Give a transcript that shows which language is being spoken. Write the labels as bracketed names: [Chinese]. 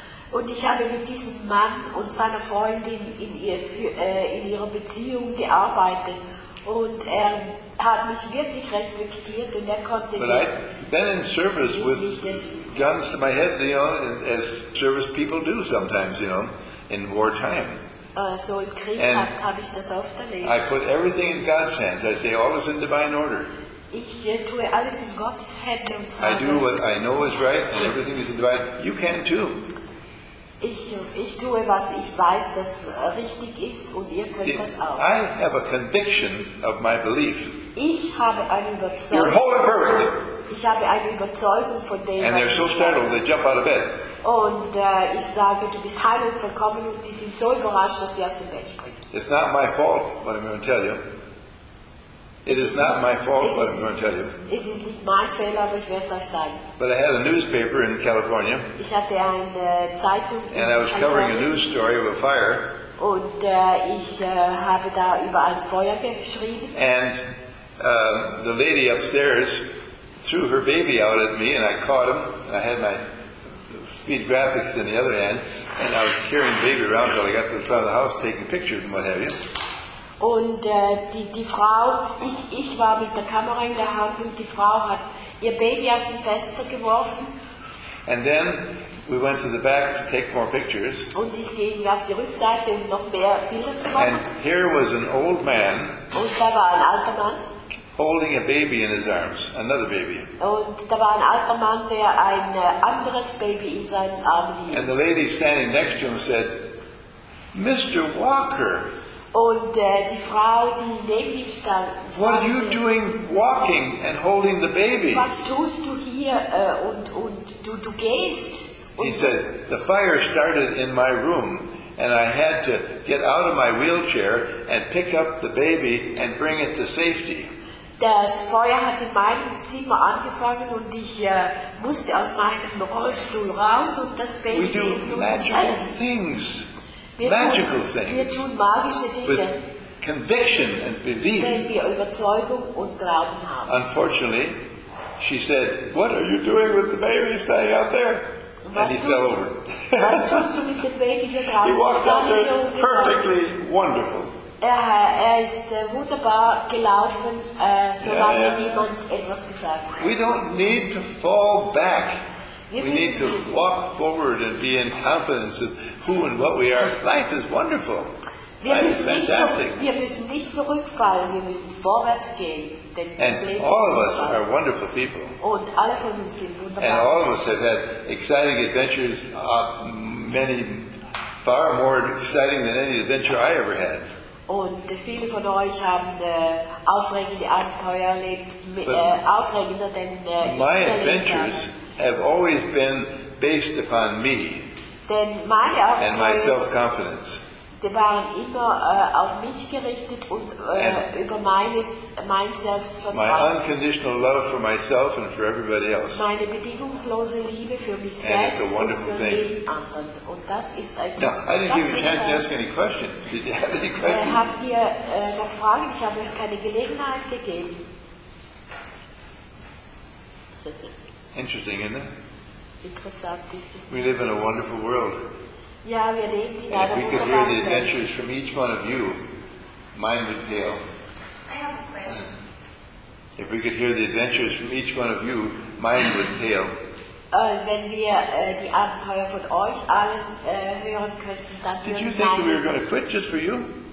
[German] Und ich habe mit diesem Mann und seiner Freundin in ihrer Beziehung gearbeitet, und er hat mich wirklich respektiert und er konnte nicht. [English] Been in service with guns to my head, you know, as service people do sometimes, you know, in wartime. [German] So im Krieg habe ich das oft erlebt. [English] I put everything in God's hands. I say all is in divine order. [German] Ich tue alles in Gottes Hände und sage, [English] I do what I know is right, and everything is in divine. You can too. [German] Ich tue, was ich weiß, das richtig ist, und ihr könnt [English] See, [German] das auch. [English] I have a conviction of my belief. [German] Ich habe eine Überzeugung. [English] Your whole imperfect. [German] Ich habe eine Überzeugung von dem, [English] and they're so startled, they jump out of bed. [German] Und ich sage, du bist heil und vollkommen, und die sind so überrascht, dass sie aus dem Bett springen. [English] It's not my fault, what I'm going to tell you. It is not my fault, what I'm going to tell you. [German] Es ist nicht mein Fehler, aber ich werde es euch sagen. [English] But I had a newspaper in California. [German] Ich hatte eine Zeitung. [English] And I was covering a news story of a fire. [German] Und ich habe da über ein Feuer geschrieben. [English] And the lady upstairs threw her baby out at me, and I caught him. I had my speed graphics in the other hand, and I was carrying the baby around until I got to the front of the house taking pictures and what have you. [German] Und die Frau, ich war mit der Kamera in der Hand, und die Frau hat ihr Baby aus dem Fenster geworfen. [English] And then we went to the back to take more pictures. [German] Und ich ging auf die Rückseite, um noch mehr Bilder zu machen. [English] And here was an old man. [German] Und da war ein alter Mann. [English] Holding a baby in his arms, another baby. [German] Und da war ein alter Mann, der ein anderes Baby in seinen Armen hielt. [English] And the lady standing next to him said, "Mr. Walker." [German] Und die Frau, die neben ihm stand, sagte, [English] "What are you doing walking and holding the baby?" [German] Was tust du hier und du gehst? [English] He said, "The fire started in my room." And I had to get out of my wheelchair and pick up the baby and bring it to safety. [German] Das Feuer hat in meinem Zimmer angefangen, und ich musste aus meinem Rollstuhl raus und das Baby [English] We do magical things. Magical things. [German] Wir tun magische Dinge. [English] With conviction and belief. [German] Wenn wir Überzeugung und Glauben haben. [English] Unfortunately, she said, "What are you doing with the baby standing out there?" And [German] was [English] he fell over. [German] Was tust du mit dem Baby hier draußen? [English] He walked out there perfectly wonderful. [German] ist wunderbar gelaufen, solange niemand etwas gesagt hat. [English] We don't need to fall back. We need to walk forward and be in confidence of who and what we are. Life is wonderful. Life is fantastic. [German] Wir müssen nicht zurückfallen, wir müssen vorwärts gehen. [English] And all of us are wonderful people. [German] Und alle von uns sind wunderbar. [English] And all of us have had exciting adventures, many, far more exciting than any adventure I ever had. [German] Und viele von euch haben aufregende Abenteuer erlebt, aufregender denn [English] my adventures have always been based upon me and my self-confidence. [German] Die waren immer auf mich gerichtet und über mein Selbstvertrauen. [English] My unconditional love for myself and for everybody else. [German] Meine bedingungslose Liebe für mich [English] and [German] selbst [English] it's a wonderful [German] und für [English] thing. [German] Jeden anderen. Und das ist etwas. [English] No, I didn't give you a chance to ask any questions. Did you have any questions? [German] Habt ihr noch Fragen? Ich habe euch keine Gelegenheit gegeben. [English] Interesting, isn't it? [German] Interessant, ist es. [English] We live in a wonderful world. [German] Ja, wir leben in [English] and if we could hear the adventures from each one of you, mine would pale. I have a question. If we could hear the adventures from each one of you, mine would pale. [German] Wenn wir die Abenteuer von euch allen hören könnten, dann [English] did you think that we were going to quit just for you?